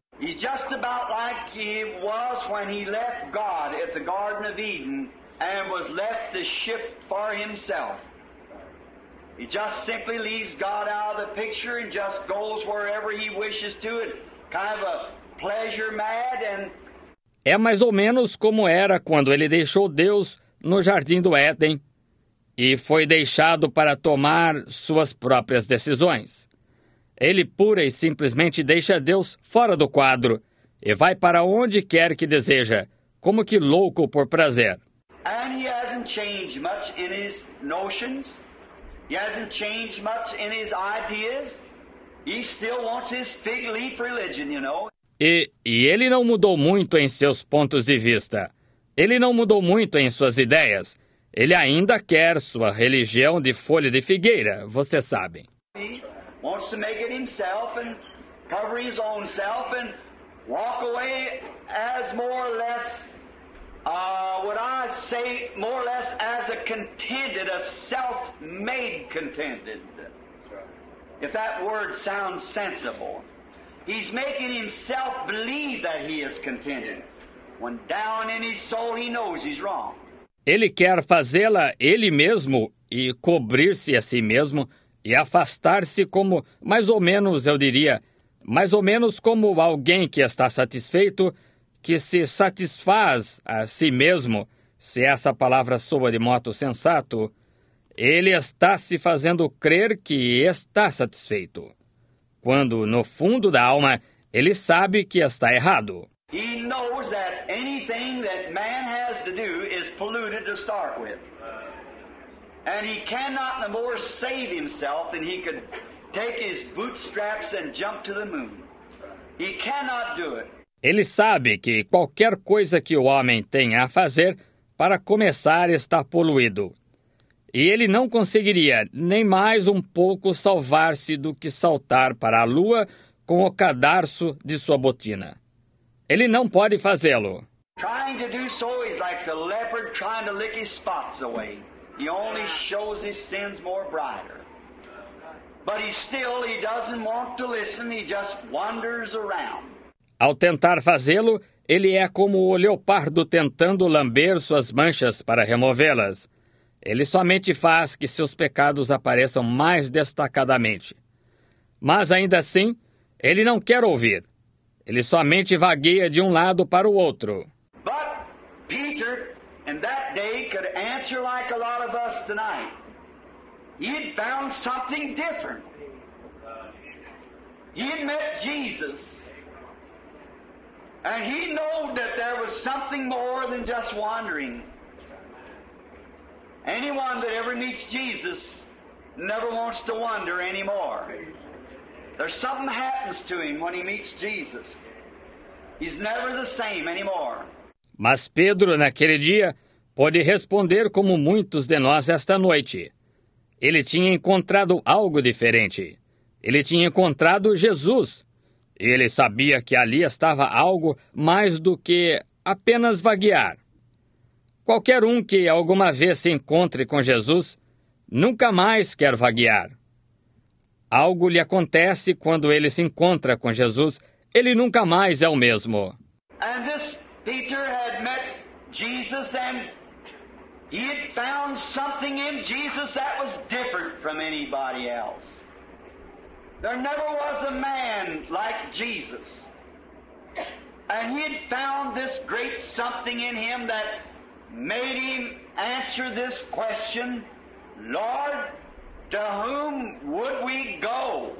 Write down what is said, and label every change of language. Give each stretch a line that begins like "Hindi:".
English: He's just about like he was when he left God at the Garden of Eden and was left to shift for himself. He just simply leaves God out of the picture and just goes wherever he wishes to, and kind of a pleasure mad and...
Portuguese: É mais ou menos como era quando ele deixou Deus no Jardim do Éden e foi deixado para tomar suas próprias decisões. Ele pura e simplesmente deixa Deus fora do quadro e vai para onde quer que deseja, como que louco por prazer.
English: And he hasn't changed much in his notions. He hasn't changed much in his ideas. He still wants his fig leaf religion, you know.
Portuguese: E ele não mudou muito em seus pontos de vista. Ele não mudou muito em suas ideias. Ele ainda quer sua religião de folha de figueira, você sabe.
English: He wants to make it himself and cover his own self and walk away as more or less, what I say, more or less as a contented, a self-made contented. If that word sounds sensible. He's making himself believe that he is contented, when down in his soul he knows he's wrong.
Portuguese: Ele quer fazê-la ele mesmo e cobrir-se a si mesmo e afastar-se como, mais ou menos, eu diria, mais ou menos como alguém que está satisfeito, que se satisfaz a si mesmo, se essa palavra soa de modo sensato. Ele está se fazendo crer que está satisfeito, quando, no fundo da alma, ele sabe que está errado.
English: He knows that anything that man has to do is polluted to start with. And he cannot no more save himself than he could take his bootstraps and jump to the moon. He cannot do it.
Portuguese: Ele sabe que qualquer coisa que o homem tenha a fazer para começar está poluído. E ele não conseguiria nem mais um pouco salvar-se do que saltar para a lua com o cadarço de sua botina. Ele não pode fazê-lo.
English: Trying to do so is like the leopard trying to lick his spots away. He only shows his sins more brighter. But he doesn't want to listen, he just wanders around.
Portuguese: Ao tentar fazê-lo, ele é como o leopardo tentando lamber suas manchas para removê-las. Ele somente faz que seus pecados apareçam mais destacadamente. Mas ainda assim, ele não quer ouvir. Ele somente vagueia de um lado para o outro.
English: But Peter, in that day, could answer like a lot of us tonight. He'd found something different. He'd met Jesus. And he knew that there was something more than just wandering. Anyone that ever meets Jesus never wants to wander anymore. There's something happens to him when he meets Jesus. He's never the same anymore.
Portuguese: Mas Pedro, naquele dia, pôde responder como muitos de nós esta noite. Ele tinha encontrado algo diferente. Ele tinha encontrado Jesus. E ele sabia que ali estava algo mais do que apenas vaguear. Qualquer um que alguma vez se encontre com Jesus, nunca mais quer vaguear. Algo lhe acontece quando ele se encontra com Jesus. Ele nunca mais é o mesmo.
English: And this Peter had met Jesus and he had found something in Jesus that was different from anybody else. There never was a man like Jesus. And he had found this great something in him that made him answer this question, Lord, to whom would we go?